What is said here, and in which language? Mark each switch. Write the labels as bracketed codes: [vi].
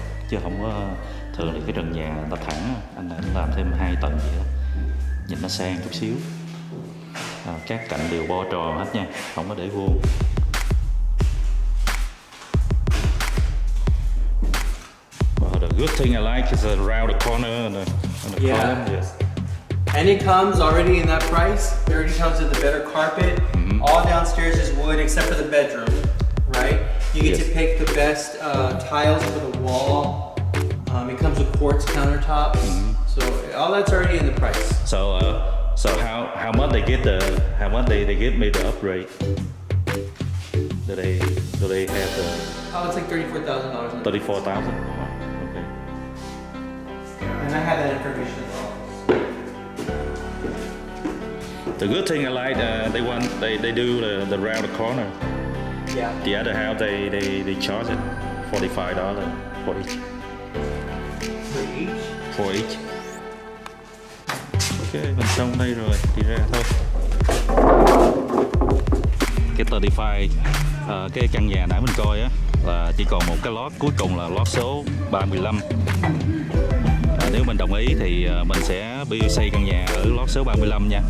[vi] Chứ không có thường thì cái trần nhà ta thẳng, anh đã làm thêm hai tầng vậy đó, nhìn nó sang chút xíu. À, các cạnh đều bo tròn hết nha, không có để vuông. [en] Well, the good thing I like is around the corner and the yeah. Column, yes. And it comes already in that price. It already comes with the better carpet. Mm-hmm. All downstairs is wood except for the bedroom, right? You get yes. to pick the best tiles for the wall. It comes with quartz countertops. Mm-hmm. So all that's already in the price. So how much they get the how much they give me the upgrade? Do they have the? Oh, it's like $34,000. Okay. And I have that information as well. The good thing I like they do the round the corner. Yeah. The other half they charge it $45 for each. For each. [vi] Okay, mình xong đây rồi, đi ra thôi. Cái $35, cái căn nhà nãy mình coi á là chỉ còn một cái lot cuối cùng là lot số 35. Nếu mình đồng ý thì mình sẽ xây căn nhà ở lot số 35 nha.